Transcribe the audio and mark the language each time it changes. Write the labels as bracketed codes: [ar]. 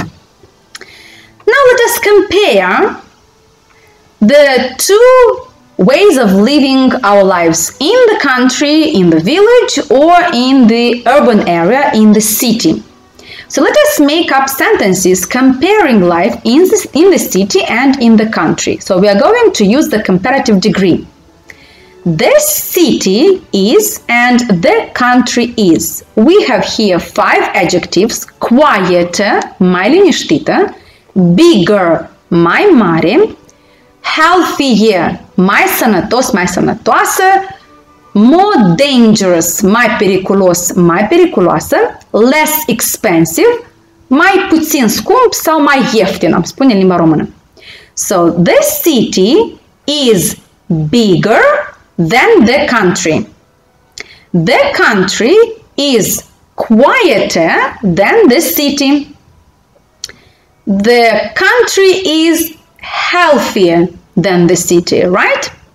[en] Now let us compare the two ways of living our lives: in the country, in the village, or in the urban area, in the city. So let us make up sentences comparing life in the city and in the country. So we are going to use the comparative degree. the city is and the country is. We have here five adjectives: quieter, [ro] mai liniștită; bigger, mai mare; healthier, mai sănătos, mai sănătoasă; [en] more dangerous, [ro] mai periculos, mai periculoasă; [en] less expensive, [ro] mai puțin scump sau mai ieftin, am spune în limba română. [en] So, the city is bigger than the country. The country is quieter than the city. The country is healthier than the city, right?